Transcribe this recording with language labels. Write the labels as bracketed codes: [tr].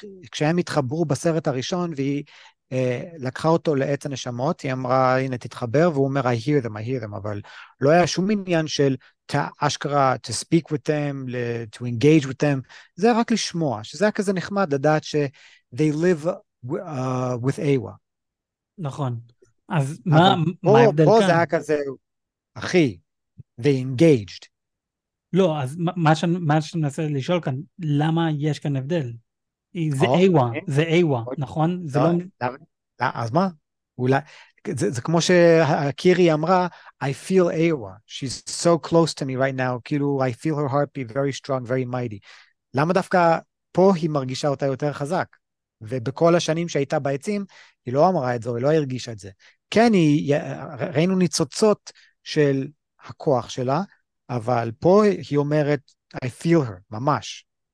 [he] כשהם התחברו בסרט הראשון, והיא לקחה אותו לעץ הנשמות, היא אמרה, הנה, תתחבר, והוא אומר, [en] I hear them, I hear them, [he] אבל לא היה שום עניין של אשכרה, [en] to speak with them, [he] to engage with them, זה רק לשמוע, שזה היה כזה נחמד לדעת ש- [en] they live with Awa. [he] נכון. אז אבל מה ההבדל פה זה כאן? היה כזה, אחי, [en] they engaged. [he] לא, אז מה שאני מנסה לשאול כאן, למה יש כאן הבדל? זה או, איווה, זה איווה, נכון? זה לא... אז מה? אולי, זה כמו שקירי אמרה, [en] I feel Awa, she's so close to me right now, [he] כאילו, [en] I feel her heart be very strong, very mighty. [he] למה דווקא פה היא מרגישה אותה יותר חזק? ובכל השנים שהייתה בעצים, היא לא אמרה את זה, היא לא הרגישה את זה. כן, ראינו ניצוצות של הכוח שלה, אבל פה היא אומרת, [en] I feel her, [he] ממש.